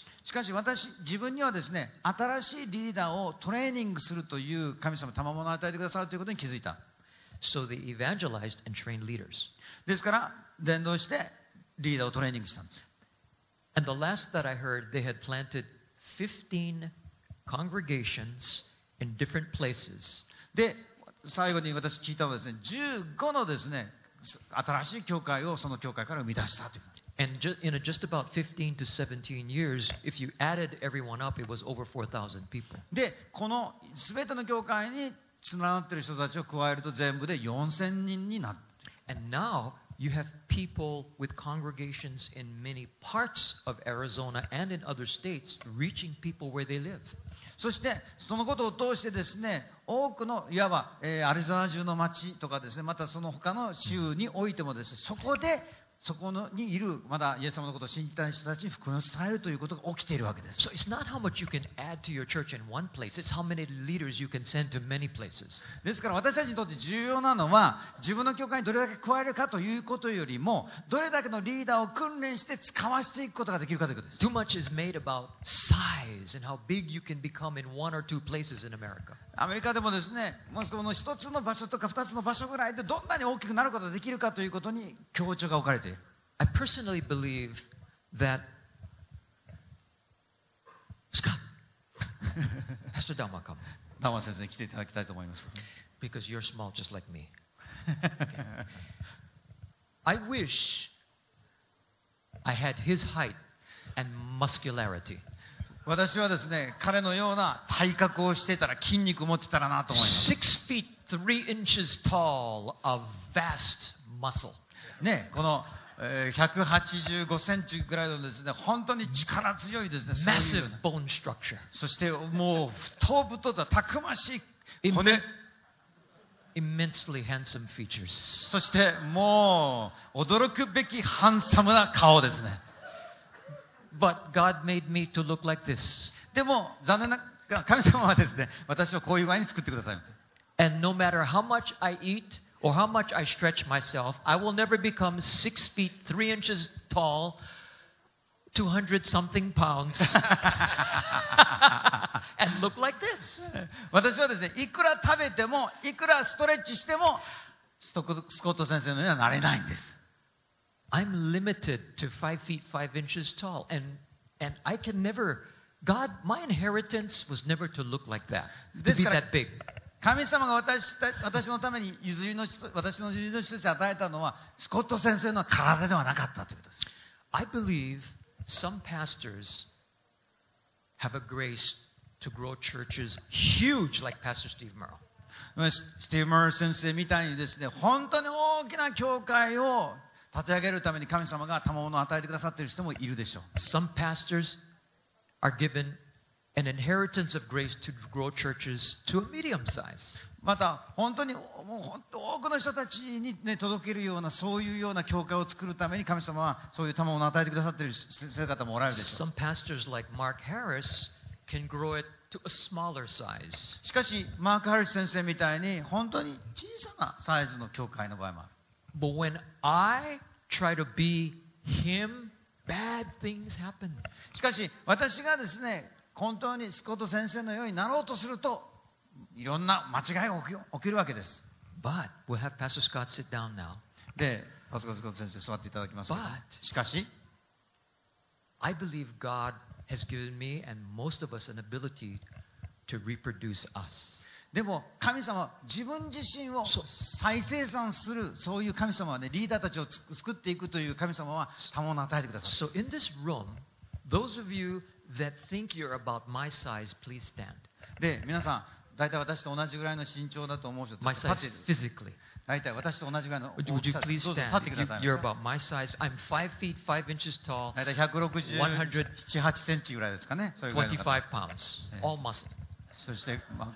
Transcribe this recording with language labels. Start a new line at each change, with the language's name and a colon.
Japanese: しかし私、自分にはですね、新しいリーダーをトレーニングするという神様の賜物を与えてくださるということに気づいた。
English: So they evangelized and trained leaders.
Japanese: ですから、伝道してリーダーをトレーニングしたんです。
English: And the last that I heard, they had planted 15 congregations. In different places.
Japanese: で、最後に私聞いたのはですね、15のですね、新しい教会をその教会から生み出したという。
English: And just about 15 to 17 years, if you added everyone up, it was over 4,000 people.
Japanese: で、この全ての教会につながっている人たちを加えると全部で4,000人になる。
English: And now you have people with congregations in many parts of Arizona and in other states reaching people where they live.
Japanese: そしてそのことを通してですね、多くのいわば、アリゾナ州の町とかですね、またその他の州においてもですね、そこでそこのにいるまだイエス様のことを信じた人たちに福音を伝えるということが起きているわけです。
English: So it's not how much you can add to your church in one place, it's how many leaders you can send to many places.
Japanese: ですから私たちにとって重要なのは、自分の教会にどれだけ加えるかということよりも、どれだけのリーダーを訓練して使わせていくことができるかということです。
English: Too much is made about size and how big you can become in one or two places in America.
Japanese: アメリカでもですね、もしこの一つの場所とか二つの場所ぐらいでどんなに大きくなることができるかということに強調が置かれている。
English: I personally believe that. Scott, Pastor Dama, come.
Japanese: Dama 先生に来ていただきたいと思います。
English: Because you're small, just like me. Okay. I wish I had his height and muscularity.
Japanese: 私はですね、彼のような体格をしてたら筋肉を持ってたらなと思います。
English: 6 feet 3 inches tall of vast muscle.
Japanese: ね、この、185センチぐらいのですね、本当に力強いですね。
English: Massive bone structure.
Japanese: そしてもう太々とたくましい骨。
English: Immensely handsome features.
Japanese: そしてもう驚くべきハンサムな顔ですね。
English: But God made me to look like this.
Japanese: でも残念ながら神様はですね、私をこういう具合に作ってくださいました。
English: And no matter how much I eat or how much I stretch myself, I will never become 6 feet 3 inches tall, 200 something pounds, and look like this.
Japanese: 私はですね、いくら食べてもいくらストレッチしてもスコット先生のようにはなれないんです。
English: I'm limited to 5 feet 5 inches tall and I can never God my inheritance was never to look like that to be that big.
Japanese: 神様が私のために私の譲りの人として与えたのはスコット先生の体ではなかったということです。
English: I believe some pastors have a grace to grow churches huge like Pastor Steve Merle.
Japanese: スティーブ・マール先生みたいにですね、本当に大きな教会を立て上げるために神様が賜物を与えてくださっている人もいるでしょう。
English: Some pastors are given an inheritance of grace to grow churches to a medium size.
Japanese: また本当にもう本当多くの人たちに、ね、届けるようなそういうような教会を作るために神様はそういう賜物を与えてくださっている先生方もおられるでしょう。
English: Some pastors like Mark Harris can grow it to a smaller size.
Japanese: しかしマーク・ハリス先生みたいに本当に小さなサイズの教会の場合もある。
English: But when I try to be him, bad things happen.
Japanese: しかし私がですね、本当にスコット先生のようになろうとすると、いろんな間違いが起きるわけです。
English: But we'll have Pastor Scott sit down now.
Japanese: で、パスコット先生座っていただきます。
English: But
Japanese: しかし、
English: I believe God has given me and most of us an ability to reproduce us.
Japanese: でも神様は自分自身を再生産するそういう神様はね、リーダーたちを作っていくという神様は賜物を与えてください。
English: So in this room, those of you that think you're about my size, please stand.
Japanese: で、皆さん、大体私と同じぐらいの身長だと思う人、
English: my size physically.
Japanese: 大体私と同じぐらいの大きさ。
English: Would you please stand?
Japanese: どうぞ立ってください
English: ね。You're about my size. I'm 5 feet 5 inches tall.
Japanese: 大体167、8 センチぐらいですかね。
English: 25 pounds. All muscle.
Japanese: そして、ま